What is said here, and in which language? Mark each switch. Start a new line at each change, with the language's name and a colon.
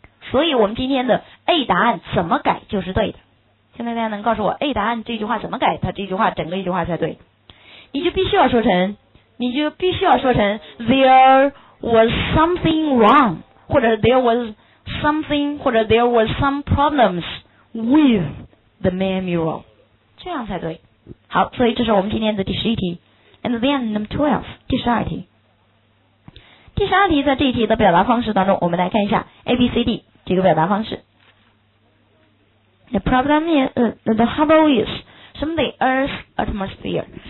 Chinese: 所以我们今天的 A 答案怎么改就是对的。现在大家能告诉我 A 答案这句话怎么改，它这句话整个一句话才对。你就必须要说成
English: there was something wrong，
Chinese: 或者
English: there was something， 或者 there was some problems with the main mural，
Chinese: 这样才对。好，所以这是我们今天的第十一题。
English: And then number 12，
Chinese: 第十二题。第十二题在这一题的表达方式当中，我们来看一下 ABCD 这个表达方式。
English: The problem is the hubble is
Chinese: 什么的
English: earth atmosphere。